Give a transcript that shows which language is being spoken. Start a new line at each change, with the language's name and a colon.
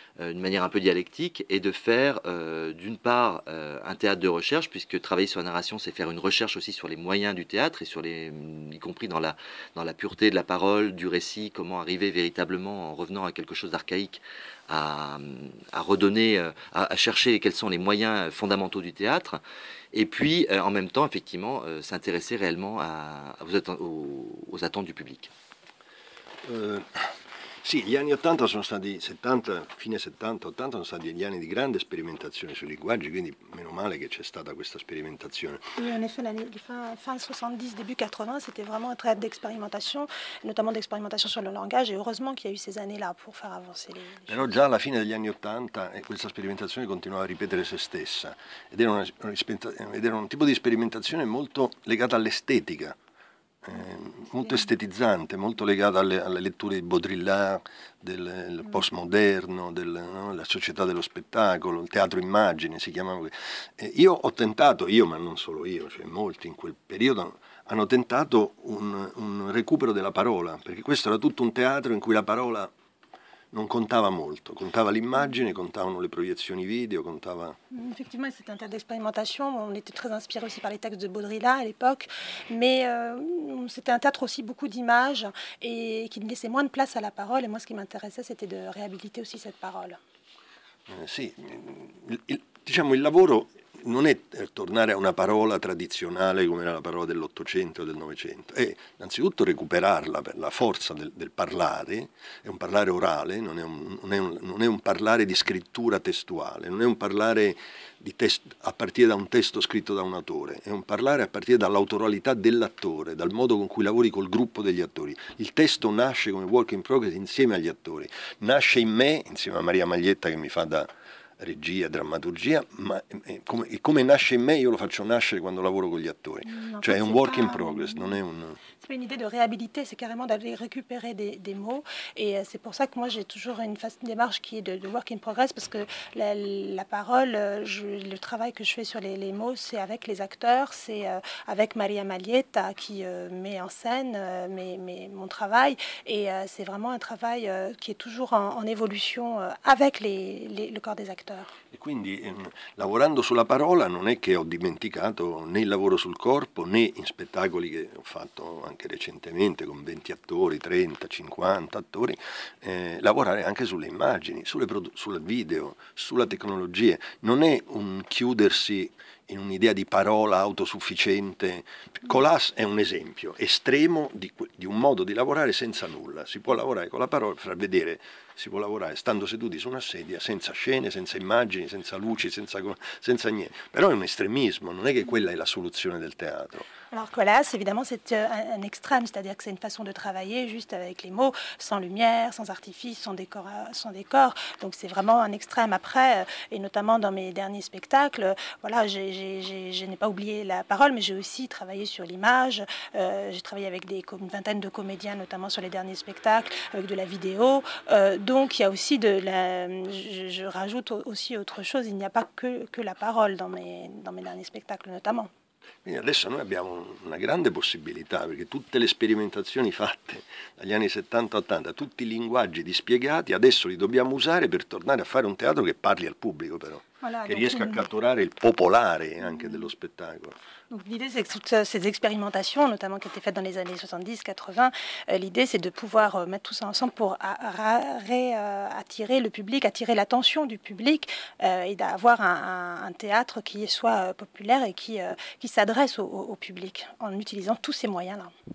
French: d'une manière un peu dialectique, et de faire, d'une part, un théâtre de recherche, puisque travailler sur la narration, c'est faire une recherche aussi sur les moyens du théâtre, et y compris dans la pureté de la parole, du récit, comment arriver véritablement, en revenant à quelque chose d'archaïque, à redonner, à chercher quels sont les moyens fondamentaux du théâtre, et puis en même temps, effectivement, s'intéresser réellement aux attentes du public.
Italian: Sì, gli anni 80 sono stati, 70, fine 70, 80 sono stati gli anni di grande sperimentazione sui linguaggi, quindi meno male che c'è stata questa sperimentazione.
French: Sì, in effetti, fin 70, début 80, c'était vraiment un très d'expérimentation, notamment d'expérimentation sur le langage, et heureusement qu'il y a eu ces années-là pour faire avancer les.
Italian: Però già alla fine degli anni 80 questa sperimentazione continuava a ripetere se stessa, ed era un tipo di sperimentazione molto legata all'estetica. Molto estetizzante, molto legato alle letture di Baudrillard, del postmoderno, no, la società dello spettacolo, il teatro immagine si chiamava. Io ho tentato, io ma non solo io, cioè molti in quel periodo hanno tentato un recupero della parola, perché questo era tutto un teatro in cui la parola non contava molto, contava l'immagine, contavano le proiezioni video, contava.
French: Effectivement, c'était un théâtre d'expérimentation. On était très inspiré aussi par les textes de Baudrillard à l'époque, mais c'était un théâtre aussi beaucoup d'images et qui laissait moins de place à la parole. Et moi, ce qui m'intéressait, c'était de réhabiliter aussi cette parole.
Italian: Sì, diciamo il lavoro non è tornare a una parola tradizionale come era la parola dell'Ottocento o del Novecento, è innanzitutto recuperarla per la forza del parlare, è un parlare orale, non è un parlare di scrittura testuale, non è un parlare di testo a partire da un testo scritto da un autore, è un parlare a partire dall'autoralità dell'attore, dal modo con cui lavori col gruppo degli attori. Il testo nasce come work in progress insieme agli attori, nasce in me, insieme a Maria Maglietta che mi fa da regia, drammaturgia, ma come nasce in me, io lo faccio nascere quando lavoro con gli attori. Non, cioè è un work in progress, non è un.
French: C'est une idée de réhabiliter, c'est carrément d'aller récupérer des mots. Et c'est pour ça que moi, j'ai toujours une démarche qui est de work in progress, parce que la parole, le travail que je fais sur les mots, c'est avec les acteurs, c'est avec Maria Maglietta qui met en scène mon travail. Et c'est vraiment un travail qui est toujours en évolution avec le corps des acteurs. Et donc,
Italian: lavorando sulla parola, non è che ho dimenticato né il lavoro sul corpo né in spettacoli che ho fatto anche recentemente con 20 attori, 30, 50 attori, lavorare anche sulle immagini, sul video, sulla tecnologia. Non è un chiudersi in un'idea di parola autosufficiente. Colas è un esempio estremo di un modo di lavorare senza nulla. Si può lavorare con la parola, far vedere, si può lavorare stando seduti su una sedia, senza scene, senza immagini. immagini, senza luci, senza niente. Però è un estremismo, non è che quella è la soluzione del teatro.
French: Alors voilà, évidemment c'est un extrême, c'est-à-dire que c'est une façon de travailler juste avec les mots, sans lumière, sans artifice, sans décor. Donc c'est vraiment un extrême. Après, et notamment dans mes derniers spectacles, voilà, je n'ai pas oublié la parole, mais j'ai aussi travaillé sur l'image. J'ai travaillé avec une vingtaine de comédiens, notamment sur les derniers spectacles, avec de la vidéo. Donc il y a aussi je rajoute aussi autre chose. Il n'y a pas que la parole dans mes derniers spectacles, notamment.
Italian: Quindi adesso noi abbiamo una grande possibilità, perché tutte le sperimentazioni fatte dagli anni 70-80, tutti i linguaggi dispiegati, adesso li dobbiamo usare per tornare a fare un teatro che parli al pubblico però.
French: Voilà, qui
Italian: riesca
French: à capturer le populaire
Italian: anche dello
French: spettacle. Donc l'idée c'est que toutes ces expérimentations, notamment qui étaient faites dans les années 70-80, l'idée c'est de pouvoir mettre tout ça ensemble pour attirer le public, attirer l'attention du public et d'avoir un théâtre qui soit populaire et qui s'adresse au public en utilisant tous ces moyens-là.